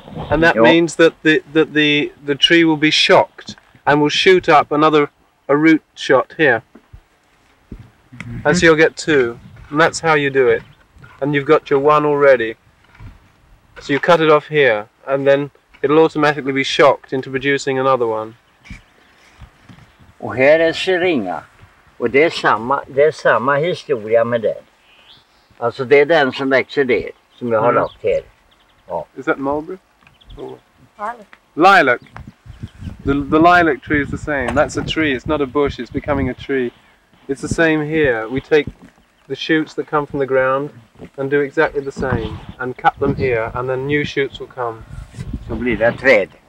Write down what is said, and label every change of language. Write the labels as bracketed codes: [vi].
[en] And that means that the tree will be shocked and will shoot up a root shot here. Mm-hmm. And so you'll get two. And that's how you do it. And you've got your one already. So you cut it off here, and then it'll automatically be shocked into producing another one. [sv] Och här är syringa. Och det är samma historia med den. Alltså det är den som växer där, som jag har lagt här. [en] Ja. Is that mulberry? Lilac. The lilac tree is the same. That's a tree. It's not a bush. It's becoming a tree. It's the same here. We take the shoots that come from the ground and do exactly the same and cut them here, and then new shoots will come. [sv] So blir det träd.